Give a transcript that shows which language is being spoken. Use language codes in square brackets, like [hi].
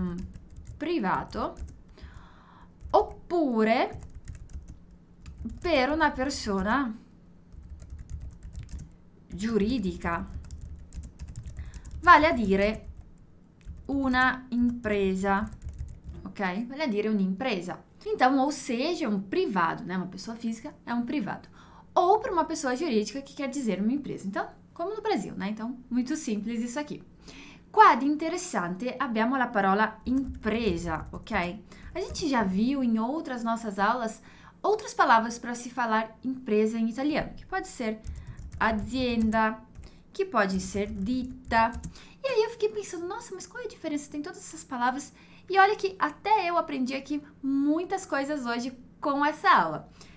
[it] Cioè un privato, oppure per una persona giuridica, vale a dire una impresa, ok? Vale a dire un'impresa. [pt] Então, ou seja, um privado, né? Uma pessoa física é um privado. Ou para uma pessoa jurídica, que quer dizer uma empresa. Então, como no Brasil, né? Então, muito simples isso aqui. [it] Qua di interessante abbiamo la parola impresa, ok? [pt] A gente já viu em outras nossas aulas outras palavras para se falar empresa em italiano, que pode ser azienda, que pode ser ditta. E aí eu fiquei pensando, nossa, mas qual é a diferença? Tem todas essas palavras. E olha que até eu aprendi aqui muitas coisas hoje com essa aula.